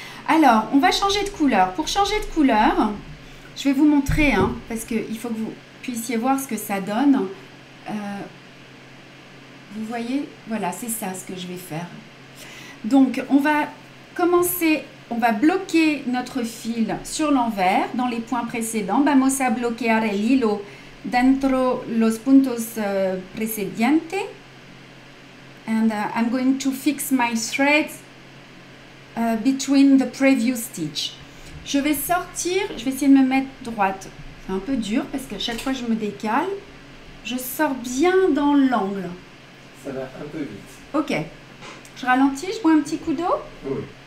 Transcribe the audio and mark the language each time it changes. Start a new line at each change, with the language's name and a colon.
French: Alors, on va changer de couleur. Pour changer de couleur, je vais vous montrer, hein, parce qu'il faut que vous puissiez voir ce que ça donne. Vous voyez, voilà, c'est ça ce que je vais faire. Donc, on va commencer, on va bloquer notre fil sur l'envers dans les points précédents.
Spanish: Vamos a bloquear el hilo dentro los puntos precedientes.
English: And I'm going to fix my thread between the previous stitch.
French: Je vais sortir, je vais essayer de me mettre droite. C'est un peu dur parce qu'à chaque fois je me décale. Je sors bien dans l'angle. Ça va un peu vite. Ok. Je ralentis, je bois un petit coup d'eau. Oui.